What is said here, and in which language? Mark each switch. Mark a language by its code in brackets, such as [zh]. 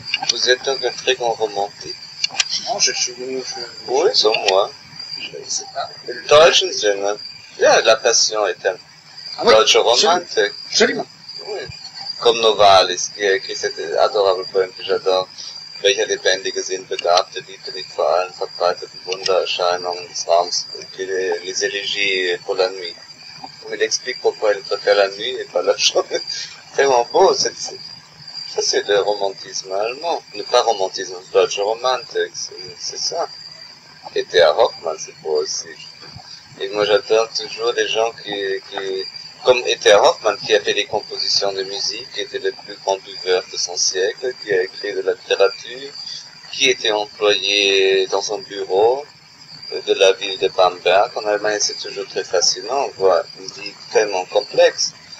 [fr] Vous êtes donc un très grand romantique. Non, je oui, sans moi. Je ne sais pas. Le [de] Deutsche Zimmer. [en] Yeah, [fr] la passion est un Deutsche romantique. Absolument. Oui. Comme Novalis, qui a écrit cet adorable poème que j'adore. [de] Welcher lebendige Sinn begabte Liebe nicht vor allen verbreiteten Wundererscheinungen des Raums, [fr] les élégies pour la nuit. Il explique pourquoi il préfère la nuit et pas la journée. Tellement beau, ça c'est le romantisme allemand. Ne pas romantisme, Deutsche Romantik, c'est ça. Et Théa Hoffmann, c'est beau aussi. Et moi j'adore toujours les gens qui comme Théa Hoffmann, qui a fait des compositions de musique, qui était le plus grand buveur de son siècle, qui a écrit de la littérature, qui était employé dans son bureau de la ville de Bamberg en Allemagne, c'est toujours très fascinant, on voit une vie tellement complexe.